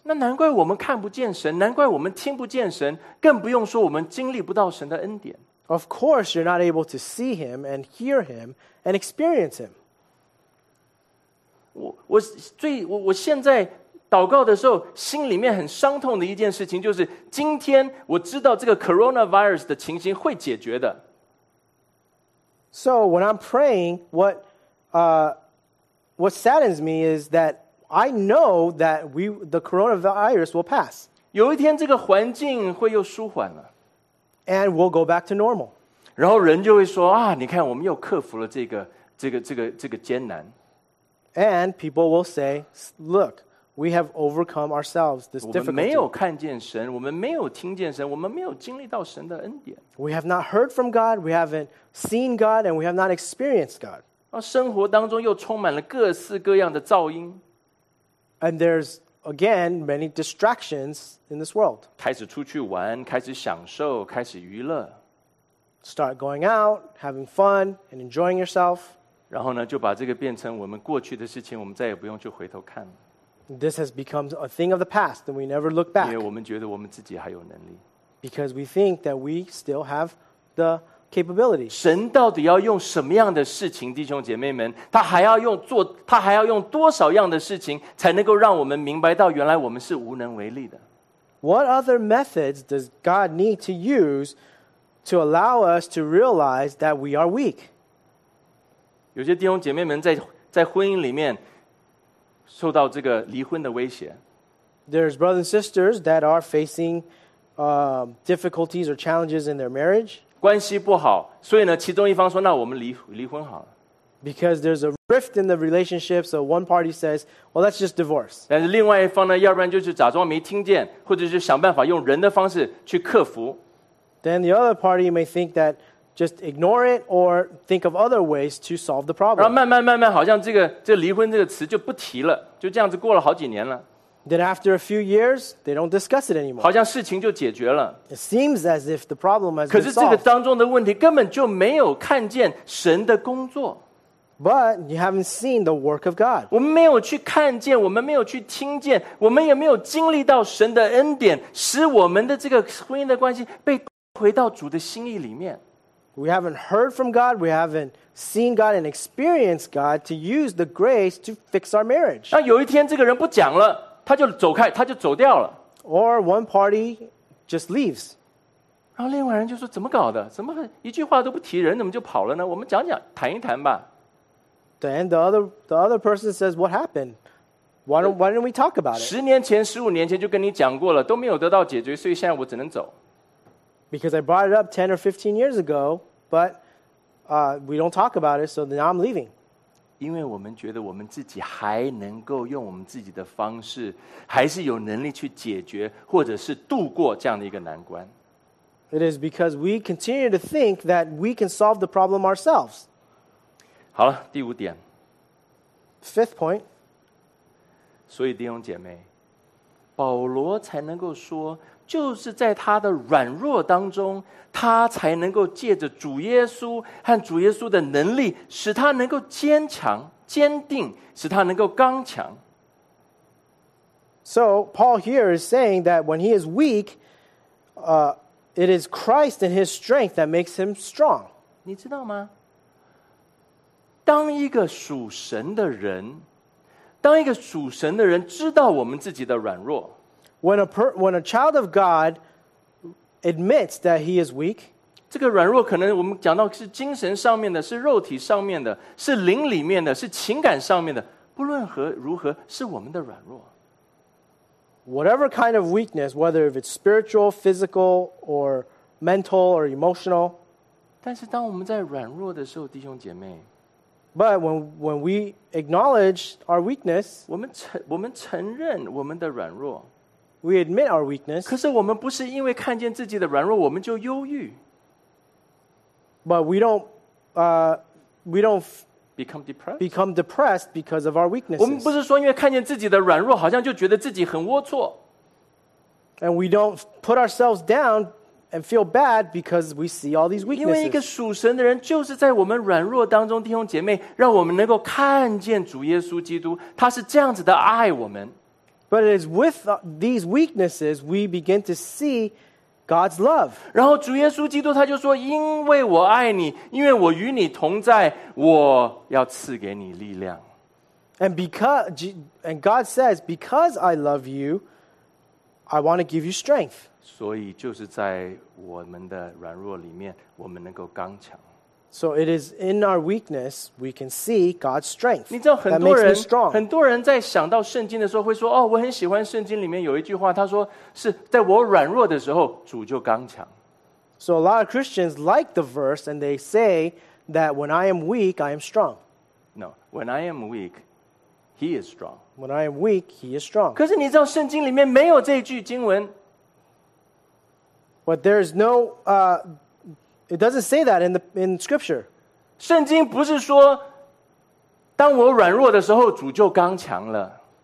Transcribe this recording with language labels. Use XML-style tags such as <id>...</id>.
<zh>那难怪我们看不见神，难怪我们听不见神，更不用说我们经历不到神的恩典。</zh> <en>Of course, you're not able to see him and hear him and experience him.</en> <zh>I 现在祷告的时候，心里面很伤痛的一件事情，就是今天我知道这个 coronavirus 的情形会解决的。</zh> <en>So when I'm praying, what saddens me is that I know that the coronavirus will pass.</en> <zh>有一天这个环境会又舒缓了。</zh> <en>And we'll go back to normal.</en> <zh>然后人就会说啊，你看我们又克服了这个艰难。</zh> <en>And people will say, look, we have overcome ourselves this difficulty.</en> <zh>我们没有看见神，我们没有听见神，我们没有经历到神的恩典。</zh> <en>We have not heard from God, we haven't seen God, and we have not experienced God.</en> <zh>生活当中又充满了各式各样的噪音。</zh> <en>And there's, again, many distractions in this world.</en> <zh>开始出去玩，开始享受，开始娱乐。</zh> <en>Start going out, having fun, and enjoying yourself.</en> <zh>然后呢，就把这个变成我们过去的事情，我们再也不用去回头看。</zh> <en>This has become a thing of the past, and we never look back.</en> <zh>因为我们觉得我们自己还有能力。</zh> <en>Because we think that we still have the capability.</en> <zh>神到底要用什么样的事情，弟兄姐妹们，他还要用多少样的事情，才能够让我们明白到原来我们是无能为力的。</zh> <en>What other methods does God need to use to allow us to realize that we are weak?</en> <zh>有些弟兄姐妹们在婚姻里面受到这个离婚的威胁。</zh> <en>There's brothers and sisters that are facing difficulties or challenges in their marriage.</en> <zh>关系不好，所以呢，其中一方说：“那我们离婚好了。”</zh> <en>Because there's a rift in the relationship, so one party says, "Well, let's just divorce."</en> <zh>但是另外一方呢，要不然就是假装没听见，或者是想办法用人的方式去克服。</zh> <en>Then the other party may think that. Just ignore it or think of other ways to solve the problem.</en> <zh>然后慢慢慢慢好像这个离婚这个词就不提了，就这样子过了好几年了。</zh> <en>Then after a few years, they don't discuss it anymore.</en> <zh>好像事情就解决了。</zh> <en>It seems as if the problem has been solved.</en> <zh>可是这个当中的问题根本就没有看见神的工作。</zh> <en>But you haven't seen the work of God.</en> <zh>我们没有去看见，我们没有去听见，我们也没有经历到神的恩典，使我们的这个婚姻的关系被回到主的心意里面。</zh> <en>We haven't heard from God. We haven't seen God and experienced God to use the grace to fix our marriage.</en> <zh>那有一天这个人不讲了，他就走开，他就走掉了。</zh> <en>Or one party just leaves.</en> <zh>然后另外人就说：“怎么搞的？怎么一句话都不提，人怎么就跑了呢？我们讲讲，谈一谈吧。”</zh> <en>Then the other person says, "What happened? Why didn't we talk about it?"</en> <zh>十年前、十五年前就跟你讲过了，都没有得到解决，所以现在我只能走。</zh> <en>Because I brought it up 10 or 15 years ago, but we don't talk about it, so now I'm leaving.</en> <zh>因为我们觉得我们自己还能够用我们自己的方式，还是有能力去解决，或者是度过这样的一个难关。</zh> <en>It is because we continue to think that we can solve the problem ourselves.</en> <zh>好了，第五点。</zh> <en>Fifth point.</en> <zh>所以弟兄姐妹，保罗才能够说，就是在他的软弱当中，他才能够借着主耶稣和主耶稣的能力，使他能够坚强、坚定，使他能够刚强。</zh> <en>So, Paul here is saying that when he is weak, it is Christ and his strength that makes him strong.</en> <zh>你知道吗？当一个属神的人，当一个属神的人知道我们自己的软弱。</zh> <en>When a child of God admits that he is weak,</en> <zh>这个软弱可能我们讲到是精神上面的，是肉体上面的，是灵里面的，是情感上面的，不论何如何，是我们的软弱。</zh> <en>Whatever kind of weakness, whether if it's spiritual, physical, or mental, or emotional,</en> <zh>但是当我们在软弱的时候，弟兄姐妹，</zh> <en>but when we acknowledge our weakness,</en> <zh>我们承认我们的软弱。</zh> <en>We admit our weakness.</en> <zh>可是我们不是因为看见自己的软弱我们就忧郁。</zh> <en>But we don't become depressed. Become depressed because of our weaknesses.</en> <zh>我们不是说因为看见自己的软弱好像就觉得自己很龌龊。</zh> <en>And we don't put ourselves down and feel bad because we see all these weaknesses.</en> <zh>因为一个属神的人就是在我们软弱当中，弟兄姐妹，让我们能够看见主耶稣基督，他是这样子的爱我们。</zh> <en>But it is with these weaknesses we begin to see God's love.</en> <zh>然后主耶稣基督他就说，因为我爱你，因为我与你同在，我要赐给你力量。</zh> <en>And God says, because I love you, I want to give you strength.</en> <zh>所以就是在我们的软弱里面，我们能够刚强。</zh> <en>So it is in our weakness we can see God's strength.</en> <zh>你知道很多人，很多人在想到圣经的时候会说，哦，我很喜欢圣经里面有一句话，他说是在我软弱的时候主就刚强。</zh> <en>So a lot of Christians like the verse and they say that when I am weak, I am strong. No, when I am weak, he is strong. When I am weak, he is strong.</en> <zh>可是你知道圣经里面没有这句经文。</zh> <en>But there is no, It doesn't say that in Scripture.</en> <zh>圣经不是说，当我软弱的时候，主就刚强了。</zh>